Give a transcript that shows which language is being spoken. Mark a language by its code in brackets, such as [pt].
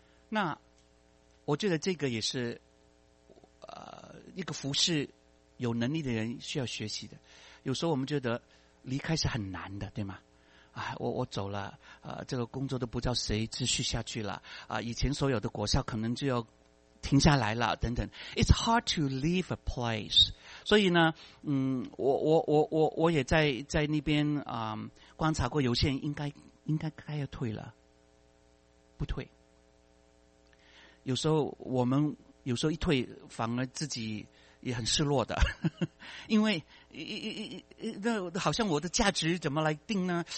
[zh] 那我觉得这个也是一个服侍有能力的人需要学习的。有时候我们觉得离开是很难的，对吗？哎，我走了，这个工作都不知道谁继续下去了啊！以前所有的果效可能就要停下来了等等。 [en] It's hard to leave a place. [zh] 所以呢，我也在那边观察过，有些人应该该要退了，不退。有时候我们有时候一退，反而自己也很失落的，因为那好像我的价值怎么来定呢？